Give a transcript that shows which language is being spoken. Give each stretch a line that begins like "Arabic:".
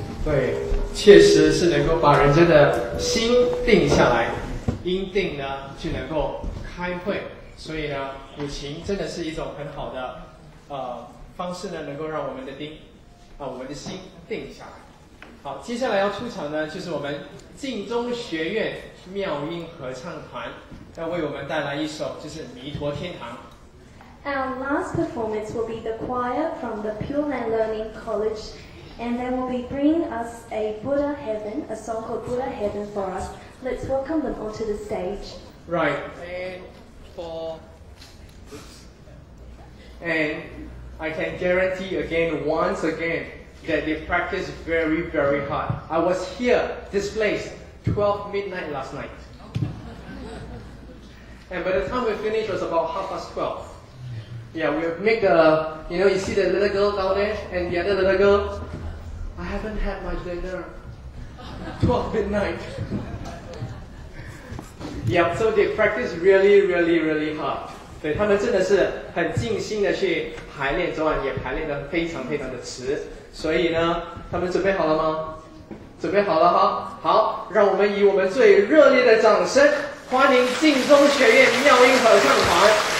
Chinese: 对，确实是能够把人真的心定下来，因定呢就能够开会，所以呢，五行真的是一种很好的方式呢，能够让我们的定啊、我们的心定下来。好，接下来要出场呢，就是我们晋中学院妙音合唱团要为我们带来一首就是《弥陀天堂》。
English: Our last performance will be the choir from the Pure Land Learning College, and they will be bringing us a Buddha Heaven, a song called Buddha Heaven for us. Let's welcome them onto the stage. Right, and for... And I can guarantee again, once again, that they practice very, very hard. I was here, this place, 12 midnight last night. And by the time we finished, it was about 12:30. Yeah, we'll make the, you know, you see the little girl down there, and the other little girl, I haven't had my dinner, 12 midnight. Yeah, so they practice really, really, really hard.
Chinese: 对，他们真的是很尽心的去排练，昨晚也排练得非常非常的迟。所以呢，他们准备好了吗？准备好了哈。好，让我们以我们最热烈的掌声，欢迎晋中学院妙音合唱团。